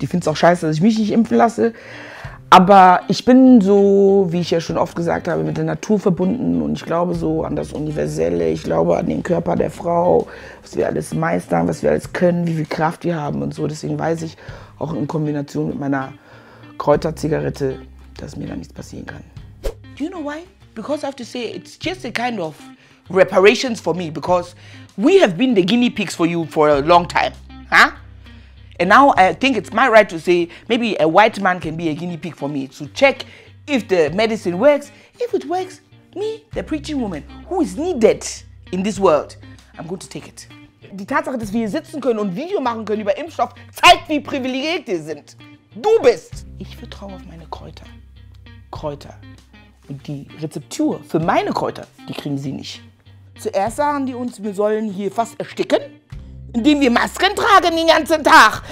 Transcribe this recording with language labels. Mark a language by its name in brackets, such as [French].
[German] Die findet es auch scheiße, dass ich mich nicht impfen lasse. Aber ich bin so, wie ich ja schon oft gesagt habe, mit der Natur verbunden. Und ich glaube so an das Universelle. Ich glaube an den Körper der Frau, was wir alles meistern, was wir alles können, wie viel Kraft wir haben und so. Deswegen weiß ich auch in Kombination mit meiner Kräuterzigarette, dass mir da nichts passieren kann. [English] Do you know why? Because I have to say, it's just a kind of reparations for me. Because we have been the guinea pigs for you for a long time. Huh? And now I think it's my right to say, maybe a white man can be a guinea pig for me to check if the medicine works. If it works, me, the preaching woman, who is needed in this world, I'm going to take it. [German] Die Tatsache, dass wir hier sitzen können und Video machen können über Impfstoff, zeigt, wie privilegiert wir sind. Du bist. Ich vertraue auf meine Kräuter. Kräuter. Und die Rezeptur für meine Kräuter, die kriegen sie nicht. Zuerst sagen die uns, wir sollen hier fast ersticken, indem wir Masken tragen den ganzen Tag.